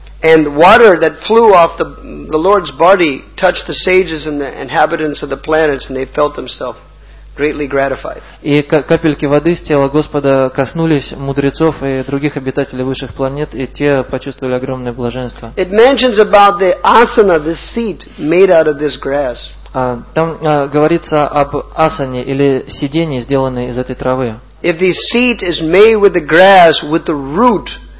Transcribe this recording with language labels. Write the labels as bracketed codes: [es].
[en] And water that flew off the Lord's body touched the sages and the inhabitants of the planets, and they felt themselves greatly gratified. [ru] И капельки воды с тела Господа коснулись мудрецов и других обитателей высших планет, и те почувствовали огромное блаженство. [en] It mentions about the asana, the seat made out of this grass. [ru] Там говорится об асане или сиденье, сделанное из этой травы. [en] If the seat is made with the grass, with the root.